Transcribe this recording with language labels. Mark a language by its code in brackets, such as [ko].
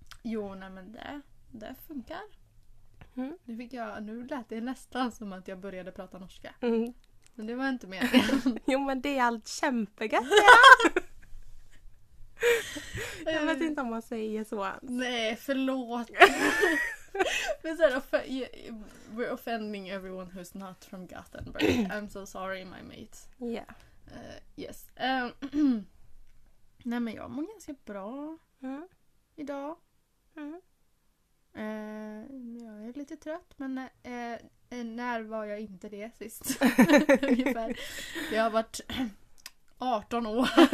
[sv] Jo, nej men det funkar. Mm. Nu lät det nästan som att jag började prata norska. Mm. Men det var inte mer. Jo, men det är allt kämpegat. Ja. Jag vet inte om man säger så. Nej, förlåt. Men så [en] we're offending everyone who's not from Gothenburg. I'm so sorry, my mate. Yeah. Yes. [sv] Nej, men jag mår ganska bra idag. Mm. Jag är lite trött, men när var jag inte det sist? Ungefär. Jag har varit 18 år.